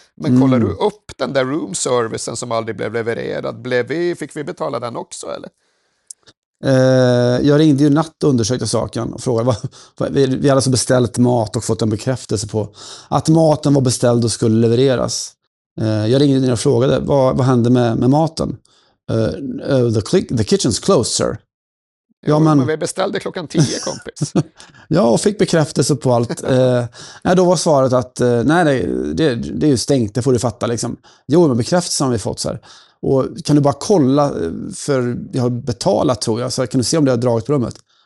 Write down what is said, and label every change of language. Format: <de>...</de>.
<sv>Men kollar du upp den där roomservicen som aldrig blev levererad, fick vi betala den också eller? Jag ringde ju natt och undersökte saken och frågade, vi hade alltså beställt mat och fått en bekräftelse på att maten var beställd och skulle levereras. Jag ringde ner och frågade, vad hände med maten?</sv> <en>The kitchen's closed, sir.</en> <sv>Ja, men vi beställde klockan 10, kompis. Ja, och fick bekräftelse på allt. Då var svaret att det är ju stängt, det får du fatta. Liksom. Jo, men bekräftelse har vi fått så här. Och kan du bara kolla, för jag har betalat tror jag, så kan du se om det har dragit på rummet?</sv>